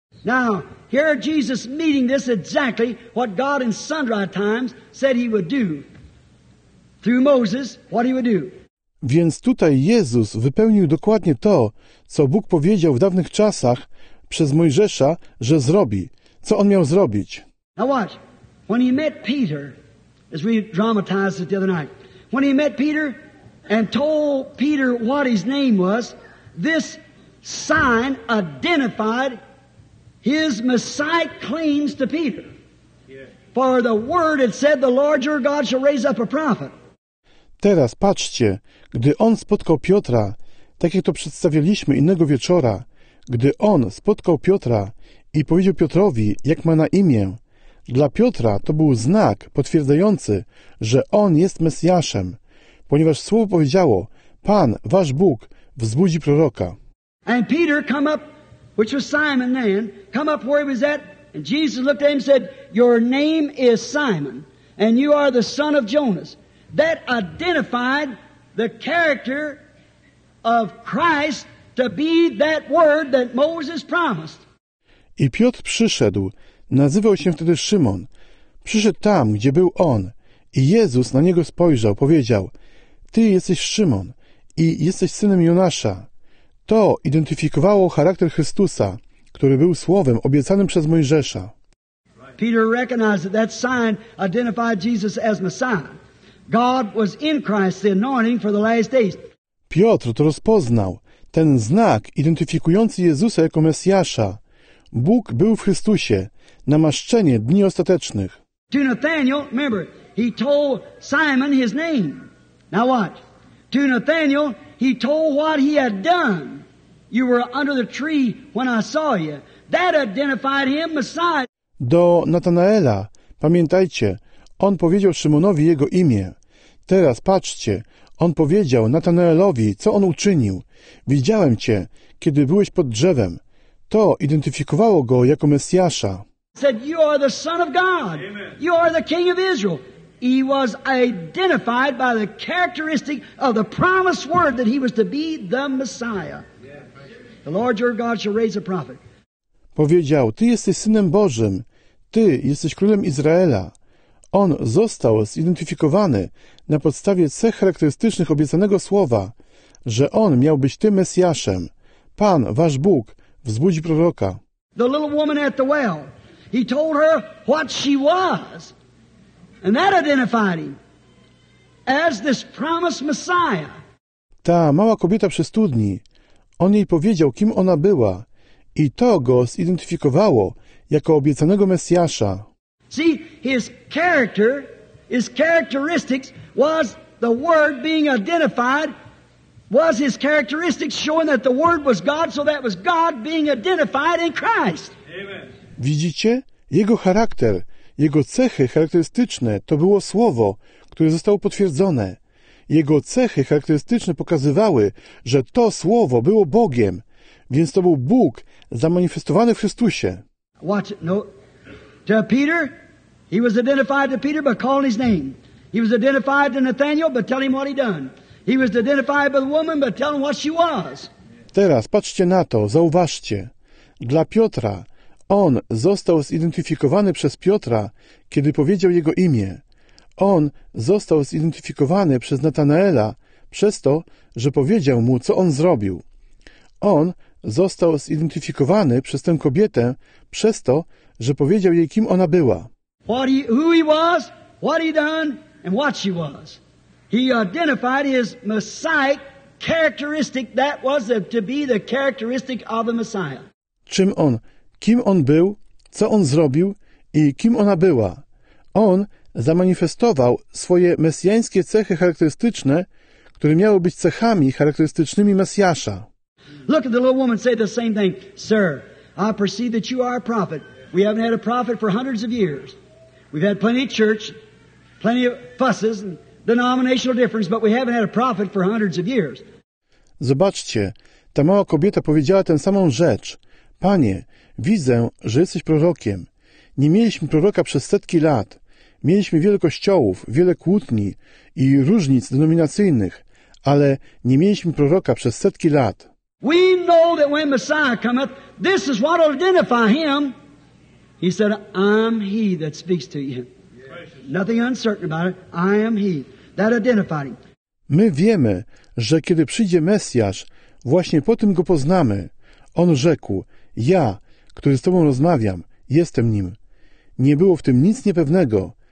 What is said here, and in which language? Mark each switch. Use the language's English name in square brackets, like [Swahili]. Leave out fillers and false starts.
[English] Now, here Jesus meeting this exactly what God in sundry times said he would do. Through Moses, what he would do. [Polish] Więc tutaj Jezus wypełnił dokładnie to, co Bóg powiedział w dawnych czasach przez Mojżesza, że zrobi. Co on miał zrobić? [English] Now watch. When he met Peter, as we dramatized it the other night, when he met Peter and told Peter what his name was, this sign identified his Messiah claims to Peter. For the word had said, the Lord your God shall raise up a prophet. [Polish] Teraz patrzcie, gdy on spotkał Piotra, tak jak to przedstawialiśmy innego wieczora, gdy on spotkał Piotra i powiedział Piotrowi, jak ma na imię, dla Piotra to był znak potwierdzający, że on jest Mesjaszem, ponieważ słowo powiedziało, Pan, wasz Bóg, wzbudzi proroka. [English] And Peter come up, which was Simon then, come up where he was at, and Jesus looked at him and said, your name is Simon, and you are the son of Jonas. That identified the character of Christ to be that word that Moses promised. [Polish] I Piotr przyszedł, nazywał się wtedy Szymon. Przyszedł tam, gdzie był on. I Jezus na niego spojrzał, powiedział, ty jesteś Szymon i jesteś synem Jonasza. To identyfikowało charakter Chrystusa, który był słowem obiecanym przez Mojżesza. [English] Peter recognized that that sign identified Jesus as Messiah. God was in Christ, the anointing for the last days. [Polish] Piotr to rozpoznał, ten znak identyfikujący Jezusa jako Mesjasza. Bóg był w Chrystusie, namaszczenie dni ostatecznych. [English] To Nathaniel, remember, he told Simon his name. Now watch. To Nathaniel, he told what he had done. You were under the tree when I saw you. That identified him, Messiah. [Polish] Do Natanaela, pamiętajcie, on powiedział Szymonowi jego imię. Teraz patrzcie, on powiedział Natanaelowi, co on uczynił. Widziałem cię, kiedy byłeś pod drzewem. To identyfikowało go jako Mesjasza. [English] Said, you are the son of God. Amen. You are the king of Israel. He was identified by the characteristic of the promised word that he was to be the Messiah. The Lord your God shall raise a prophet. [Polish] Powiedział, ty jesteś Synem Bożym. Ty jesteś Królem Izraela. On został zidentyfikowany na podstawie cech charakterystycznych obiecanego słowa, że on miał być tym Mesjaszem. Pan, wasz Bóg, wzbudzi proroka. [English] The little woman at the well. He told her what she was. And that identified him as this promised Messiah. [Polish] Ta mała kobieta przy studni. On jej powiedział, kim ona była. I to go zidentyfikowało jako obiecanego Mesjasza. [English] See, his character, his characteristics was the word being identified, was his characteristics showing that the word was God, so that was God being identified in Christ. Amen. [Polish] Widzicie? Jego charakter, jego cechy charakterystyczne to było słowo, które zostało potwierdzone. Jego cechy charakterystyczne pokazywały, że to słowo było Bogiem, więc to był Bóg zamanifestowany w Chrystusie. [English] Watch it. No. To Peter, he was identified to Peter by calling his name. He was identified to Nathaniel by telling him what he done. He was identified by the woman by telling what she was. [Polish] Teraz patrzcie na to, zauważcie. Dla Piotra, on został zidentyfikowany przez Piotra, kiedy powiedział jego imię. On został zidentyfikowany przez Natanaela przez to, że powiedział mu, co on zrobił. On został zidentyfikowany przez tę kobietę przez to, że powiedział jej, kim ona była. [English] Who he was, what he done, and what she was. He identified his Messiah characteristic that was to be the characteristic of the Messiah. [Polish] Czym on, kim on był, co on zrobił i kim ona była. On zamanifestował swoje mesjańskie cechy charakterystyczne, które miały być cechami charakterystycznymi Mesjasza. [English] Look at the little woman say the same thing. Sir, I perceive that you are a prophet. We haven't had a prophet for hundreds of years. We've had plenty of church, plenty of fusses and denominational difference, but we haven't had a prophet for hundreds of years. [Polish] Zobaczcie, ta mała kobieta powiedziała tę samą rzecz. Panie, widzę, że jesteś prorokiem. Nie mieliśmy proroka przez setki lat. Mieliśmy wiele kościołów, wiele kłótni i różnic denominacyjnych, ale nie mieliśmy proroka przez setki lat. [English] We know that when Messiah cometh, this is what will identify him. He said, I'm he that speaks to you. Yes. Nothing uncertain about it. I am he. That identified him. [Polish] My wiemy, że kiedy przyjdzie Mesjasz, właśnie po tym go poznamy. On rzekł, ja, który z tobą rozmawiam, jestem nim. Nie było w tym nic niepewnego.